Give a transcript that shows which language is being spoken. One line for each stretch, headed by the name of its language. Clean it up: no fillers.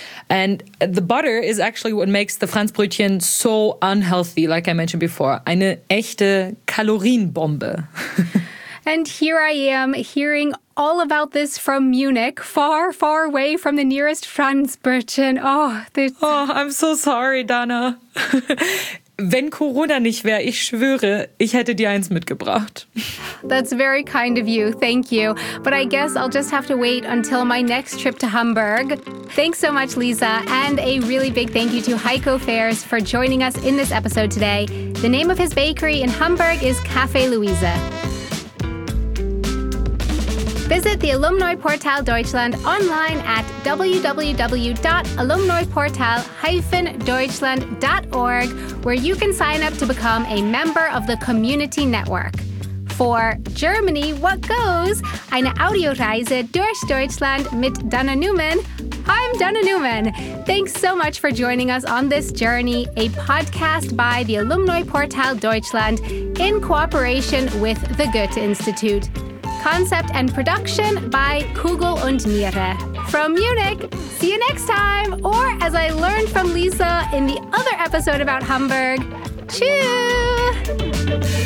English: And the butter is actually what makes the Franzbrötchen so unhealthy, like I mentioned before.
German: Eine echte Kalorienbombe.
English: And here I am hearing all about this from Munich, far, far away from the nearest Franzbrötchen. Oh, I'm so sorry, Dana.
German: Wenn Corona nicht wäre, ich schwöre, ich hätte dir eins mitgebracht.
English: That's very kind of you. Thank you. But I guess I'll just have to wait until my next trip to Hamburg. Thanks so much, Lisa. And a really big thank you to Heiko Fairs for joining us in this episode today. The name of his bakery in Hamburg is Café Luise. Visit the Alumni Portal Deutschland online at www.alumniportal-deutschland.org, where you can sign up to become a member of the community network. For Germany, what goes?
German: Eine Audioreise durch Deutschland mit Dana Newman.
English: I'm Dana Newman. Thanks so much for joining us on this journey, a podcast by the Alumni Portal Deutschland in cooperation with the Goethe Institute. Concept and production by Kugel und Niere. From Munich, see you next time. Or as I learned from Lisa in the other episode about Hamburg, tschüss.